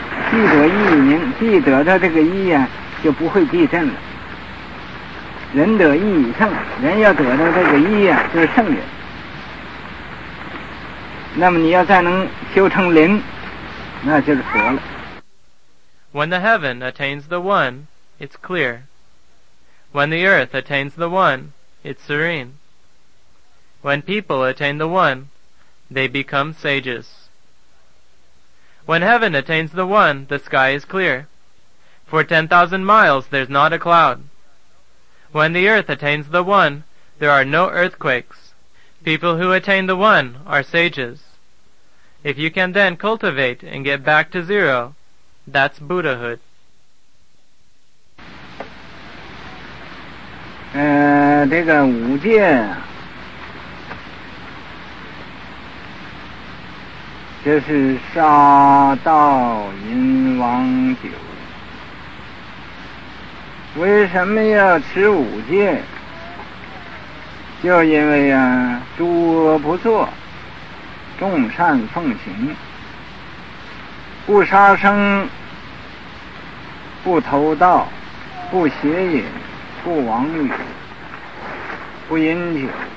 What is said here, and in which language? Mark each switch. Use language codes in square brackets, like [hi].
[zh] 既得一以明，既得到这个一呀、啊，就不会地震了。人得一以圣，人要得到这个一呀、啊，就是圣人。那么你要再能修成零，那就是佛了。 [en] When the heaven attains the one, it's clear. When the earth attains the one, it's serene. When people attain the one, they become sages. When heaven attains the one, the sky is clear. For 10,000 miles, there's not a cloud. When the earth attains the one, there are no earthquakes. People who attain the one are sages. If you can then cultivate and get back to zero, that's Buddhahood. [zh] 这个五戒就是杀盗淫妄酒。为什么要持五戒？就因为啊，诸恶不作，众善奉行，不杀生，不偷盗，不邪淫，不妄语，不饮酒。